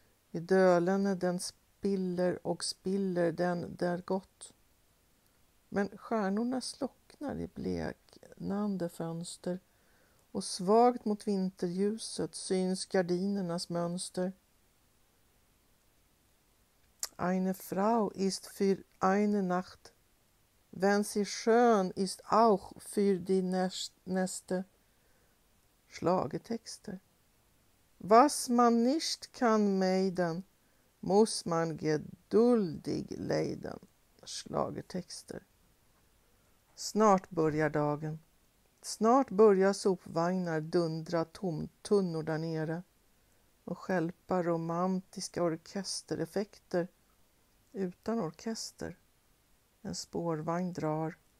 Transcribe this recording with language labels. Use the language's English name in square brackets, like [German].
[Swedish] I dölen den spiller och spiller den där gott. Men stjärnorna slocknar i bleknande fönster och svagt mot vinterljuset syns gardinernas mönster. [German] Eine Frau ist für eine Nacht, wenn sie schön ist auch für die nächste. Schlagetexter. Was man nicht kann meiden, muss man geduldig leiden. [Swedish] Schlagetexter. Snart börjar dagen. Snart börjar sopvagnar dundra tomtunnor där nere och skälpa romantiska orkestereffekter. Utan orkester. En spårvagn drar.